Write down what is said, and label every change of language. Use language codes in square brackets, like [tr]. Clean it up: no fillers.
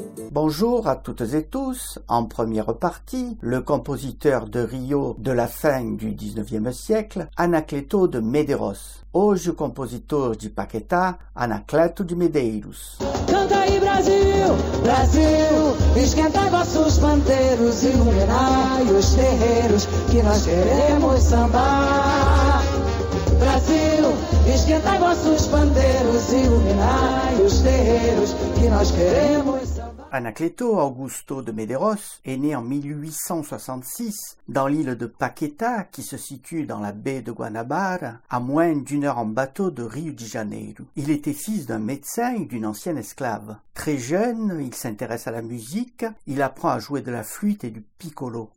[fr] Bonjour à toutes et tous. En première partie, le compositeur de Rio de la fin du 19e siècle, Anacleto de Medeiros. [pt] Hoje, compositor de Paquetá, Anacleto de Medeiros. Canta aí, Brasil, Brasil, esquenta vossos panteiros, iluminai os terreiros que nós queremos sambar. Brasil, esquentai vossos panteiros, iluminai os terreiros que nós queremos sambar. [fr] Anacleto Augusto de Medeiros est né en 1866 dans l'île de Paquetá, qui se situe dans la baie de Guanabara, à moins d'une heure en bateau de Rio de Janeiro. Il était fils d'un médecin et d'une ancienne esclave. Très jeune, il s'intéresse à la musique, il apprend à jouer de la flûte et du piccolo.